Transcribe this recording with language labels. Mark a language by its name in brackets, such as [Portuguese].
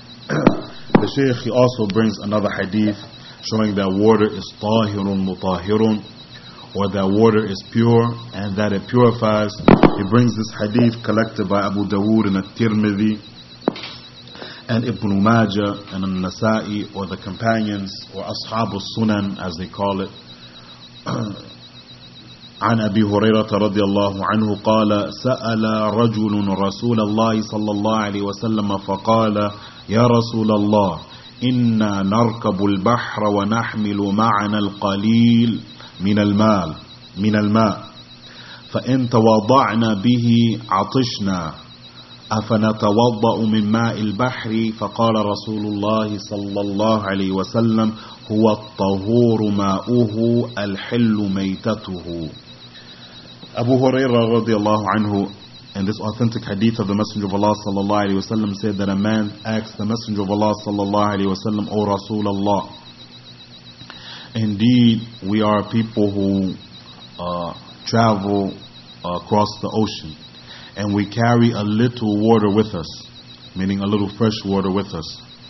[English] The Shaykh, he also brings another hadith showing that water is tahirun mutahirun, or that water is pure and that it purifies. He brings this hadith collected by Abu Dawood and At-Tirmidhi and Ibn Majah and An-Nasa'i, or the companions, or Ashab al-Sunan as they call it. [Arabic] عن أبي هريرة رضي الله عنه قال سأل رجل رسول الله صلى الله عليه وسلم فقال يا رسول الله إنا نركب البحر ونحمل معنا القليل من المال من الماء فإن توضعنا به عطشنا أفنتوضأ من ماء البحر فقال رسول الله صلى الله عليه وسلم هو الطهور ماؤه الحل ميتته. [English] Abu Huraira radiallahu anhu, in this authentic hadith of the Messenger of Allah sallallahu alayhi wa sallam, said that a man asked the Messenger of Allah sallallahu alayhi wa sallam, O Rasulullah, indeed we are people who travel across the ocean, and we carry a little water with us, meaning a little fresh water with us.